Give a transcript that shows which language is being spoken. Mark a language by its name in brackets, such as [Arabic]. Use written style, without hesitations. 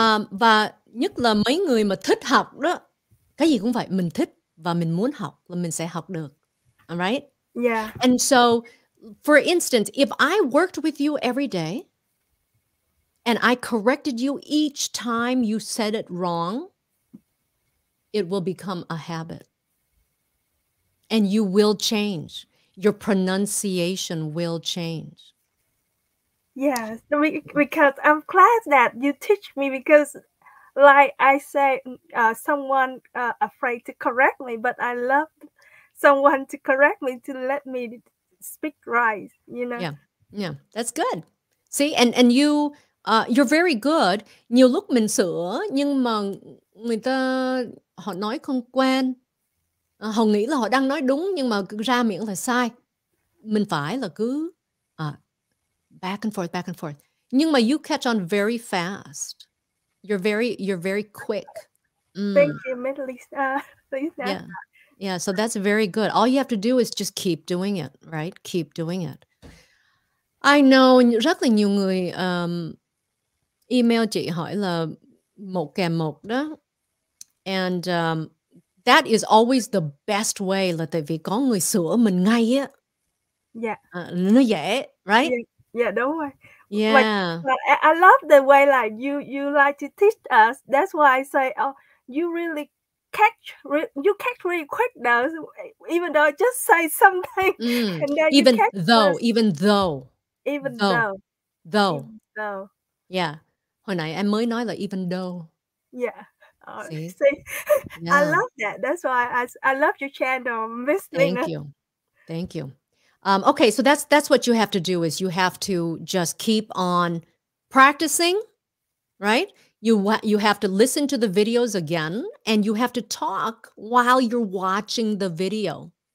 [Vietnamese] Và nhất là mấy người mà thích học đó, cái gì cũng vậy, mình thích và mình muốn học là mình sẽ học được. [English] All right? Yeah. And so, for instance, if I worked with you every day and I corrected you each time you said it wrong, it will become a habit. And you will change. Your pronunciation will change. Yes, because I'm glad that you teach me, because like I say, someone afraid to correct me, but I love someone to correct me, to let me speak right, you know? Yeah, that's good. See, and you, you're very good. [Vietnamese] Nhiều lúc mình sửa, nhưng mà người ta, họ nói không quen. Họ nghĩ là họ đang nói đúng, nhưng mà ra miệng là sai. Mình phải là cứ [English] back and forth. [Vietnamese] Nhưng mà [English] you catch on very fast. You're very quick. Thank you, Middle East. Yeah, so that's very good. All you have to do is just keep doing it, right? Keep doing it. I know [Vietnamese] rất là nhiều người email chị hỏi là một kèm một đó. [English] And that is always the best way, [Vietnamese] là tại vì có người sửa mình ngay á. [English] Yeah. [Vietnamese] Nó dễ, right? Yeah, đúng rồi. [English] Yeah. Like, I love the way like you like to teach us. That's why I say, you catch really quick now, even though I just say something. Mm. And then even, you catch though, even though. Even though. Though. Though. Yeah. [Vietnamese] Hồi nãy em mới nói là [English] even though. Yeah. See? I love that. That's why I love your channel, Miss Leyna. Thank you. Okay, so that's what you have to do, is you have to just keep on practicing, right? You have to listen to the videos again, and you have to talk while you're watching the video.